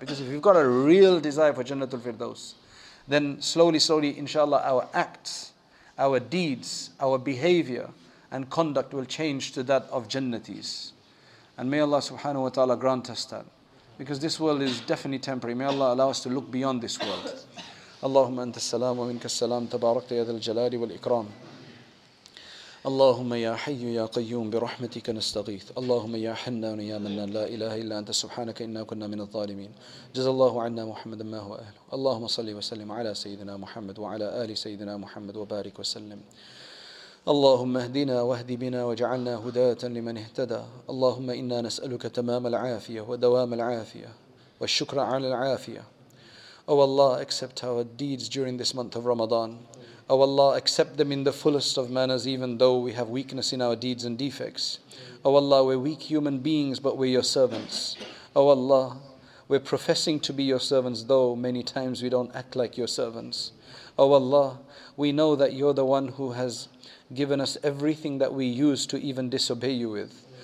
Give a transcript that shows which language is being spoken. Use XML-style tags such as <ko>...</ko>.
<en>Because if you've got a real desire for Jannatul Firdaus, then slowly, slowly, inshallah, our acts, our deeds, our behavior and conduct will change to that of Jannatis. And may Allah subhanahu wa ta'ala grant us that. Because this world is definitely temporary. May Allah allow us to look beyond this world.</en> <ar>Allahumma anta salam wa minka salam tabarakta ya dhal jalali wal ikram. اللهم يا حي يا قيوم برحمتك نستغيث اللهم يا حنان يا منان لا إله إلا أنت سبحانك إنا كنا من الظالمين جزى الله عنا محمد ما هو أهله اللهم صلي وسلم على سيدنا محمد وعلى آل سيدنا محمد وبارك وسلم اللهم اهدنا واهد بنا وجعلنا هداة لمن اهتدى اللهم إنا نسألك تمام العافية ودوام العافية والشكر على العافية Oh Allah, accept our deeds during this month of Ramadan.</ar> <en>Oh Allah, accept them in the fullest of manners, even though we have weakness in our deeds and defects. Oh Allah, we're weak human beings, but we're your servants. Oh Allah, we're professing to be your servants, though many times we don't act like your servants. Oh Allah, we know that you're the one who has given us everything that we use to even disobey you with.</en>